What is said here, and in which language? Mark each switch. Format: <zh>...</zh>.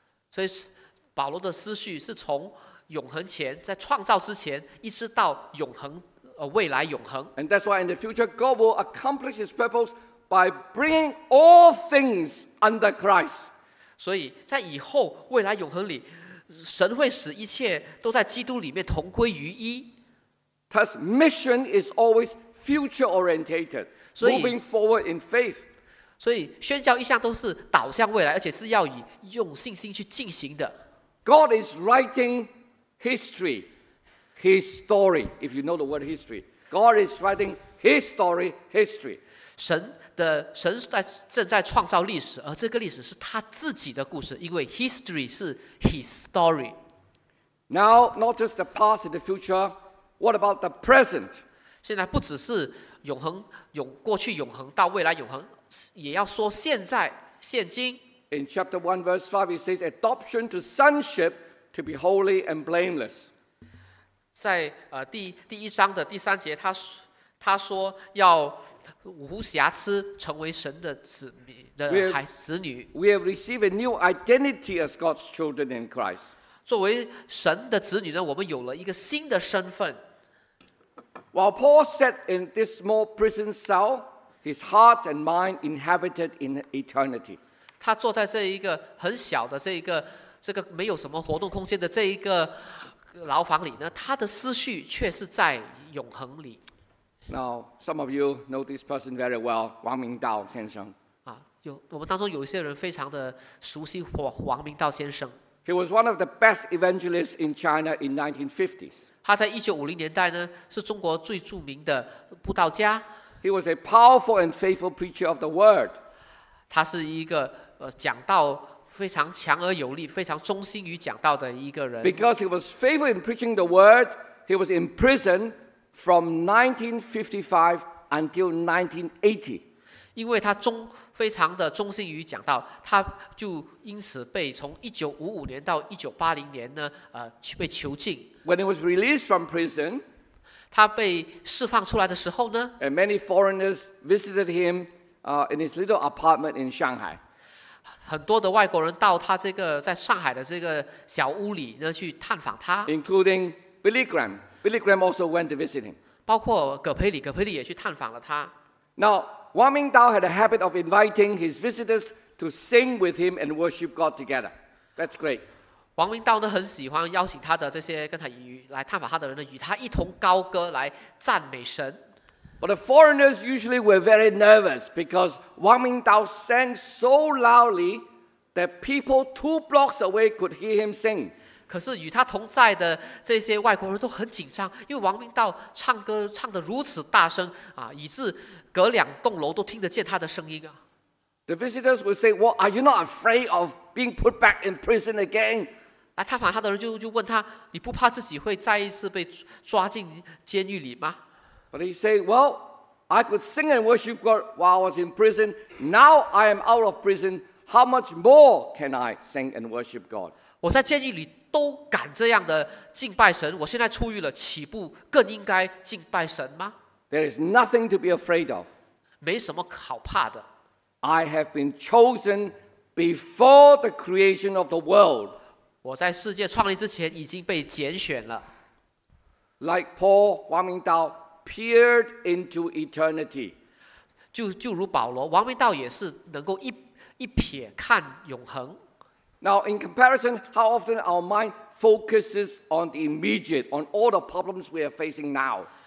<zh>所以保罗的思绪是从永恒前，在创造之前，一直到永恒，未来永恒。</zh> <en>And that's why in the future God will accomplish His purpose by bringing all things under Christ.</en> <zh>所以在以后未来永恒里，神会使一切都在基督里面同归于一。</zh> <en>Thus, mission is always future orientated, moving forward in faith.</en> <zh>所以宣教一向都是导向未来，而且是要以用信心去进行的。</zh> <en>God is writing. History, his story, if you know the word history. God is writing his story, history.</en> <zh>神正在创造历史，而这个历史是他自己的故事，因为 history 是</zh> <en>his story. Now, not just the past and the future, what about the present?</en> <zh>现在不只是永恒，过去永恒到未来永恒，也要说现在，现今。</zh> <en>In chapter 1, verse 5, it says, adoption to sonship,To be holy and blameless.</en> <zh>在第一章的第三节，他说要无瑕疵成为神的子女。</zh> <en>We have received a new identity as God's children in Christ.</en> <zh>作为神的子女呢，我们有了一个新的身份。</zh> <en>While Paul sat in this small prison cell, his heart and mind inhabited in eternity.</en> <zh>他坐在这一个很小的这个没有什么活动空间的这一个牢房里呢，他的思绪却是在永恒里。</zh> <en>Now, some of you know this person very well, Wang Mingdao 先生。</en> <zh>我们当中有一些人非常的熟悉王明道先生。</zh> <en>He was one of the best evangelists in China in 1950s.</en> <zh>他在1950年代呢，是中国最著名的布道家。</zh> <en>He was a powerful and faithful preacher of the word.</en> <zh>他是一个讲道非常强而有力，非常忠心于讲道的一个人。</zh> <en>Because he was faithful in preaching the word, he was in prison from 1955 until 1980.</en> <zh>因为他非常的忠心于讲道，他就因此被从1955年到1980年呢，被囚禁。</zh> <en>When he was released from prison,</en> <zh>他被释放出来的时候呢，</zh> <en>and many foreigners visited him, in his little apartment in Shanghai.</en> <zh>很多的外国人到他这个在上海的这个小屋里呢去探访他，</zh> <en>including Billy Graham. Billy Graham also went to visit him.</en> <zh>包括葛培里也去探访了他。</zh> <en>Now, Wang Mingdao had a habit of inviting his visitors to sing with him and worship God together. That's great.</en> <zh>王明道呢很喜欢邀请他的这些跟他来探访他的人呢，与他一同高歌来赞美神。</zh> <en>But the foreigners usually were very nervous because Wang Mingdao sang so loudly that people two blocks away could hear him sing.</en> <zh>可是与他同在的这些外国人都很紧张，因为王明道唱歌唱得如此大声啊，以致隔两栋楼都听得见他的声音啊。</zh> <en>The visitors would say, "Well, are you not afraid of being put back in prison again?"</en> <zh>来探访他的人就问他，你不怕自己会再一次被抓进监狱里吗？</zh> <en>But he said, "Well, I could sing and worship God while I was in prison. Now I am out of prison. How much more can I sing and worship God?"</en> <zh>我在监狱里都敢这样的敬拜神，我现在出狱了，岂不更应该敬拜神吗？</zh> <en>There is nothing to be afraid of.</en> <zh>没什么好怕的。</zh> <en>I have been chosen before the creation of the world.</en> <zh>我在世界创立之前已经被拣选了。</zh> <en>Like Paul, Wang Mingdao peered into eternity.</en> <zh>就如保罗，王明道也是能够一瞥看永恒。</zh> <en>Now, in comparison, how often our mind focuses on the immediate, on all the problems we are facing now?</en>